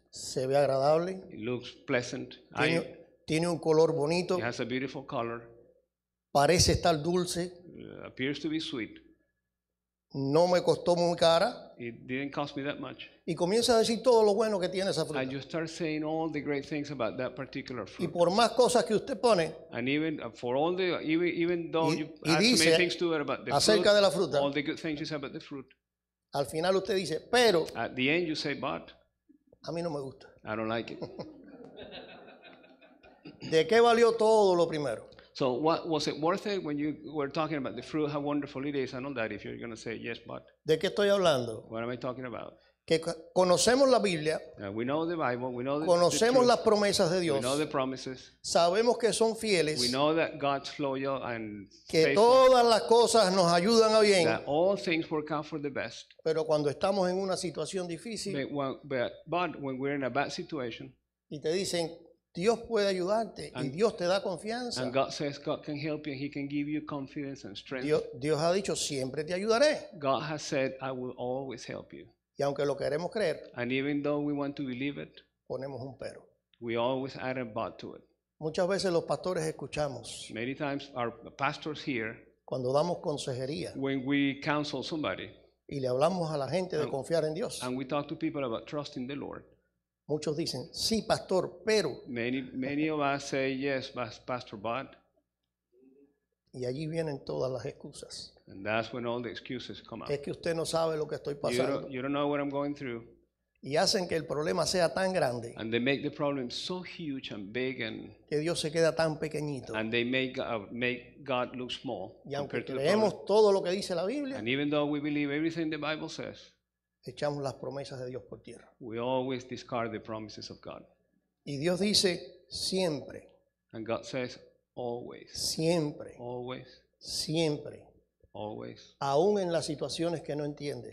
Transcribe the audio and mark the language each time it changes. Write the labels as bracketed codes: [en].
[es] se ve agradable, [en] it looks pleasant, [es] tiene un color bonito, [en] it has a beautiful color, [es] parece estar dulce, [en] appears to be sweet, [es] no me costó muy cara, [en] it didn't cost me that much. [es] Y comienza a decir todo lo bueno que tiene esa fruta. [en] And you start saying all the great things about that particular fruit. [es] Y por más cosas que usted pone. [en] And even for all the even though you add so many things to it about the [es] acerca [en] fruit, [es] de la fruta. [en] All the good things you say about the fruit. [es] Al final usted dice, pero. [en] At the end you say, but. [es] A mí no me gusta. [en] I don't like it. [es] ¿De qué valió todo lo primero? [en] So what was it worth it when you were talking about the fruit, how wonderful it is, and all that? If you're going to say yes, but. [es] ¿De qué estoy hablando? [en] What am I talking about? [es] Que conocemos la Biblia, [en] we know the Bible, we know [es] conocemos [en] the truth, [es] las promesas de Dios, [en] we know the promises, [es] sabemos que son fieles, [en] we know that God's loyal and [es] que [en] faithful, [es] todas las cosas nos ayudan a bien, [en] that all things work out for the best. [es] Pero cuando estamos en una situación difícil, [en] but when we're in a bad situation, [es] y te dicen, Dios puede ayudarte y Dios te da confianza. [en] And God says God can help you and He can give you confidence and strength. [es] Dios ha dicho, siempre te ayudaré. [en] God has said, I will always help you. [es] Y aunque lo queremos creer, [en] and even though we want to believe it, [es] ponemos un pero. [en] We always add a but to it. [es] Muchas veces los pastores escuchamos, [en] many times our pastors hear, [es] cuando damos consejería, [en] when we counsel somebody, [es] y le hablamos a la gente de confiar en Dios, [en] and we talk to people about trusting the Lord, [es] muchos dicen, sí, pastor, pero. [en] Many of us say, yes, pastor, but. [es] Y allí vienen todas las excusas. [en] And that's when all the excuses come out. [es] Es que usted no sabe lo que estoy pasando. [en] You don't know what I'm going through. [es] Y hacen que el problema sea tan grande. [en] And they make the problem so huge and big. And, [es] que Dios se queda tan pequeñito. [en] And they make God look small. [es] Y aunque creemos todo lo que dice la Biblia. [en] And even though we believe everything the Bible says. [es] Echamos las promesas de Dios por tierra. [en] We always discard the promises of God. [es] Y Dios dice, siempre. [en] And God says, always. [es] Siempre. [en] Always. [es] Siempre. [en] Always. [es] Aún en las situaciones que no entiendes.